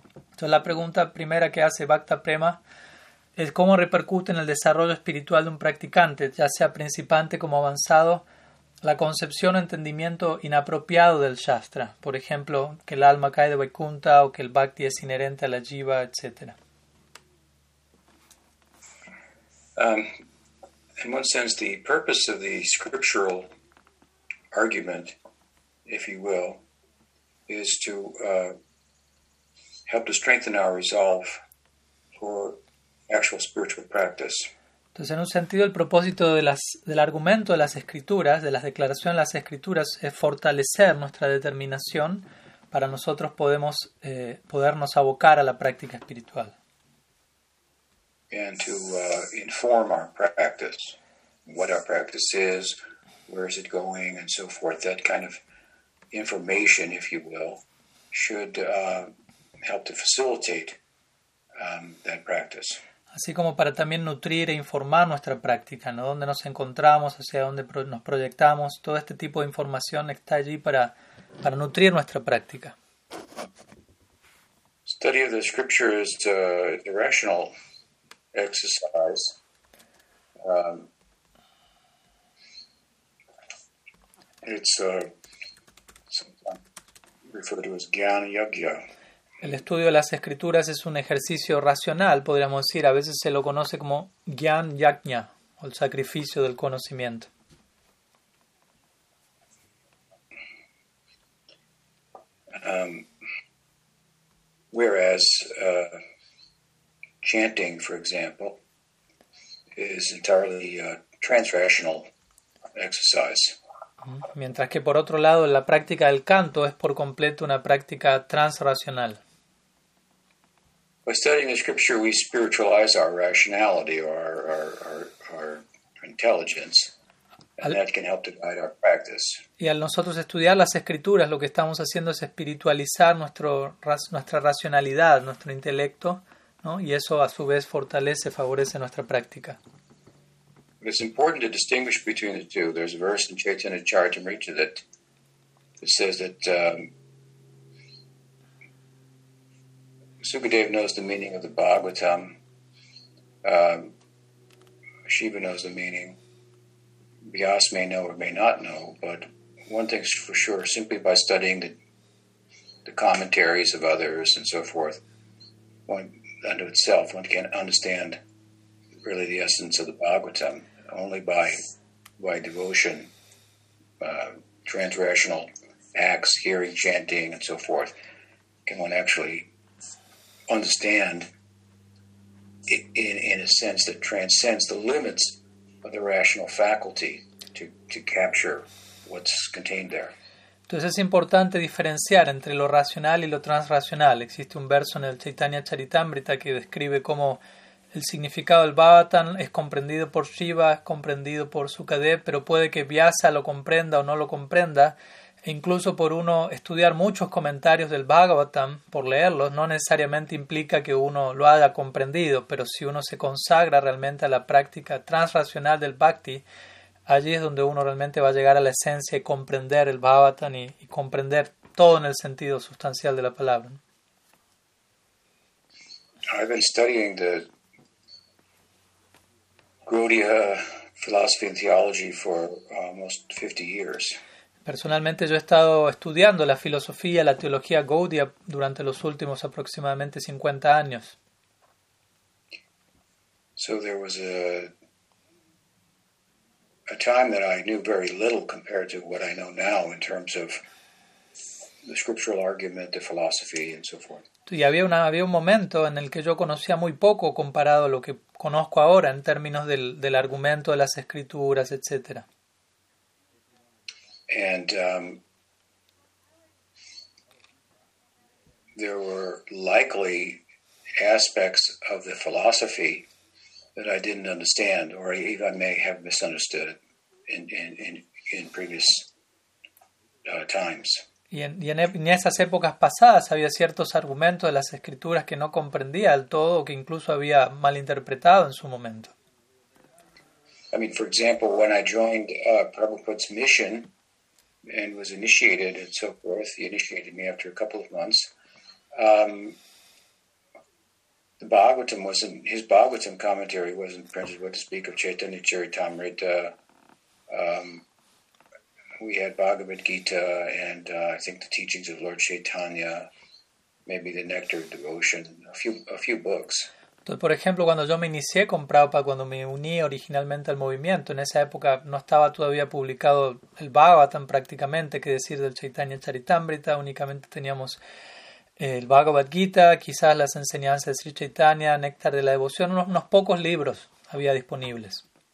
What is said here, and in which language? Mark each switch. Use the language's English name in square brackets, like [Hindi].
[Spanish] Entonces la pregunta primera que hace Bhakta Prema es cómo repercute en el desarrollo espiritual de un practicante, ya sea principiante como avanzado, la concepción o entendimiento inapropiado del Shastra. Por ejemplo, que el alma cae de Vaikuntha o que el Bhakti es inherente a la Jiva, etc. [English] In one sense, the purpose of the scriptural argument, if you will, is to help to strengthen our resolve for actual spiritual practice. [Spanish] Entonces, en un sentido, el propósito del argumento de las escrituras, de las declaraciones de las escrituras, es fortalecer nuestra determinación para nosotros podernos abocar a la práctica espiritual. [English] And to inform our practice, what our practice is, where is it going, and so forth, that kind of information, if you will, should help to facilitate that practice. [Spanish] Así como para también nutrir e informar nuestra práctica, ¿no? Dónde nos encontramos, hacia dónde nos proyectamos, todo este tipo de información está allí para nutrir nuestra práctica. [English] Study of the scripture is a rational exercise. Referred to as Gyan Yagya. [Spanish] El estudio de las escrituras es un ejercicio racional, podríamos decir. A veces se lo conoce como Gyan Yagya, o el sacrificio del conocimiento. [English] Whereas chanting, for example, is entirely a transrational exercise. [Spanish] Mientras que por otro lado la práctica del canto es por completo una práctica transracional. [English] By studying the scripture we spiritualize our rationality or our intelligence, and that can help to guide our practice. [Spanish] Y al nosotros estudiar las escrituras lo que estamos haciendo es espiritualizar nuestra racionalidad, nuestro intelecto, ¿no? Y eso a su vez favorece nuestra práctica. [English] It's important to distinguish between the two. There's a verse in Chaitanya Charitamrita that says that Sukadeva knows the meaning of the Bhagavatam. Shiva knows the meaning. Vyasa may know or may not know, but one thing's for sure, simply by studying the commentaries of others and so forth, one unto itself, one can understand really the essence of the Bhagavatam. Only by devotion, transrational acts, hearing, chanting, and so forth, can one actually understand in a sense that transcends the limits of the rational faculty to capture what's contained there. [Spanish] Entonces es importante diferenciar entre lo racional y lo transracional. Existe un verso en el Chaitanya Charitamrita que describe cómo el significado del Bhagavatam es comprendido por Shiva, es comprendido por Sukadev, pero puede que Vyasa lo comprenda o no lo comprenda, e incluso por uno estudiar muchos comentarios del Bhagavatam, por leerlos, no necesariamente implica que uno lo haya comprendido, pero si uno se consagra realmente a la práctica transracional del Bhakti, allí es donde uno realmente va a llegar a la esencia y comprender el Bhagavatam y comprender todo en el sentido sustancial de la palabra. [English] I've been studying the Gaudiya philosophy and theology for almost 50 years. [Spanish] Personalmente yo he estado estudiando la filosofía, la teología Gaudia durante los últimos aproximadamente 50 años. [English] So there was a time that I knew very little compared to what I know now in terms of the scriptural argument, the philosophy, and so forth. [Spanish] Y había un momento en el que yo conocía muy poco comparado a lo que conozco ahora en términos del argumento de las escrituras, etc. [English] And there were likely aspects of the philosophy that I didn't understand, or even I may have misunderstood in previous times. [Spanish] Y en esas épocas pasadas había ciertos argumentos de las escrituras que no comprendía del todo, que incluso había malinterpretado en su momento. [English] I mean, for example, when I joined Prabhupada's mission and was initiated and so forth, he initiated me after a couple of months. The Bhagavatam wasn't, his Bhagavatam commentary wasn't printed, what to speak of Chaitanya Charitamrita. We had Bhagavad Gita and I think the teachings of Lord Chaitanya, maybe the Nectar of Devotion, a few books. [Spanish] Entonces, por ejemplo, cuando yo me inicié con Prabhupada, cuando me uní originalmente al movimiento, en esa época no estaba todavía publicado el Bhagavatam prácticamente, que decir del Chaitanya Charitamrita, únicamente teníamos el Bhagavad Gita, quizás las enseñanzas de Sri Chaitanya, Néctar de la Devoción, unos pocos libros había disponibles.